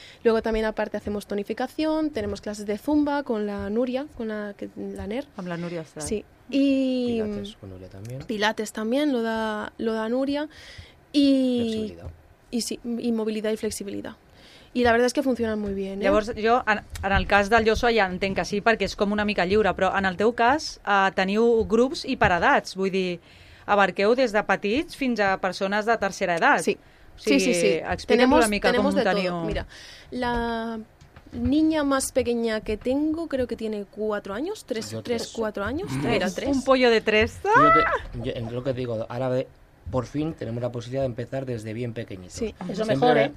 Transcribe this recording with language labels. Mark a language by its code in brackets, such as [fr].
[es] Luego también aparte hacemos tonificación, tenemos clases de zumba con la Nuria, con la NER. Con la Nuria, ¿sabes? Sí. Y Pilates también lo da Nuria y movilidad y flexibilidad. Y la verdad es que funcionan muy bien. [ca] Llavors, jo, en el cas del Joshua ja entenc que sí, perquè és com una mica lliure, però en el teu cas teniu grups i per edats, vull dir, abarqueu des de petits fins a persones de tercera edat. Sí, o sigui, sí. Explica'm una mica com ho teniu. [es] Mira, la niña más pequeña que tengo creo que tiene 4 años, 3, 4 años. Era 3. Un pollo de 3. Yo en lo que digo, ahora por fin tenemos la posibilidad de empezar desde bien pequeñito. Sí, eso mejor, ¿eh?